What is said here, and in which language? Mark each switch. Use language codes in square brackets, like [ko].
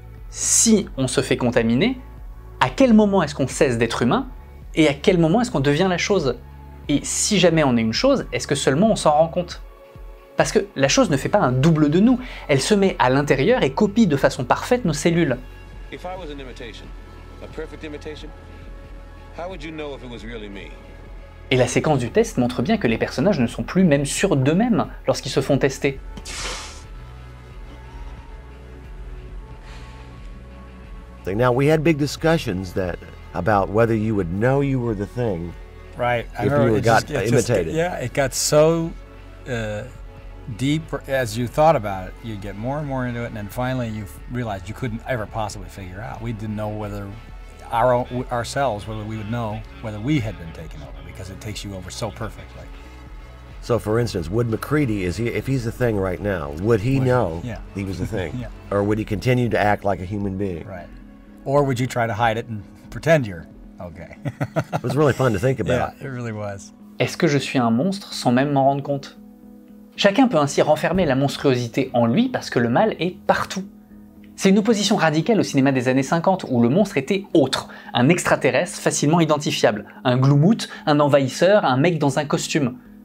[fr] Si on se fait contaminer, à quel moment est-ce qu'on cesse d'être humain? Et à quel moment est-ce qu'on devient la chose? Et si jamais on est une chose, est-ce que seulement on s'en rend compte? Parce que la chose ne fait pas un double de nous, elle se met à l'intérieur et copie de façon parfaite nos cellules. [en] If I was an imitation, a perfect imitation, how would you know if it was really me? [fr] Et la séquence du test montre bien que les personnages ne sont plus même sûrs d'eux-mêmes lorsqu'ils se font tester. [en] Now we had big discussions that about whether you would know you were the thing. Right, if you got imitated. Yeah, it got so deep as you thought about it, you'd get more and more into it, and then finally you realized you couldn't ever possibly figure out. We didn't know whether ourselves whether we would know whether we had been taken over, because it takes you over so perfectly. So for instance, would MacReady, if he's a thing right now, would he know he was a thing? Yeah. Or would he continue to act like a human being? Right. Or would you try to hide it and pretend you're okay? It was really fun to think about. Yeah, it really was. [fr] Est-ce que je suis un monstre sans même m'en rendre compte? Chacun peut ainsi renfermer la monstruosité en lui parce que le mal est partout. C'est une opposition radicale au cinéma des années 50 où le monstre était autre, un extraterrestre facilement identifiable, un gloumout, un envahisseur, un mec dans un costume.